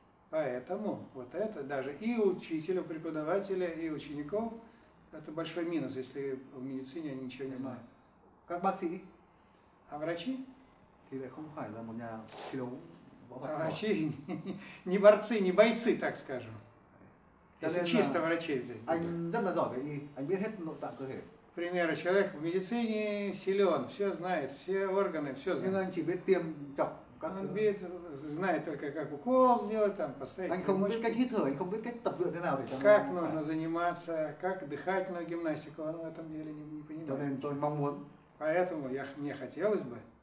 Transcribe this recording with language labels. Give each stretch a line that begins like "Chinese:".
Russian: Поэтому вот это даже и учителю, преподавателя, и учеников. Это большой минус, если в медицине они ничего не знают.
Vietnamese: Как бác sĩ?
Russian: А врачи?
Vietnamese: Thì lại không phải là một nhà thiếu võ.
Russian: Врачи не борцы, не бойцы, так скажем. Если чисто врачи взять.
Vietnamese: Anh rất là giỏi về y, anh biết hết nội tạng cơ thể.
Russian: Пример, человек в медицине силен, все знает, все органы, все знает.
Vietnamese: Nhưng anh chỉ biết tiêm chọc.
Russian: Он biết, знает только, как укол сделать, там, поставить.
Vietnamese: Anh không biết cách hít thở, anh không biết cách tập luyện thế nào để.
Russian: Как нужно заниматься, как дыхательную гимнастику, он в этом деле не понимает.
Vietnamese: Cho nên tôi mong muốn.
Russian: Поэтому мне хотелось бы.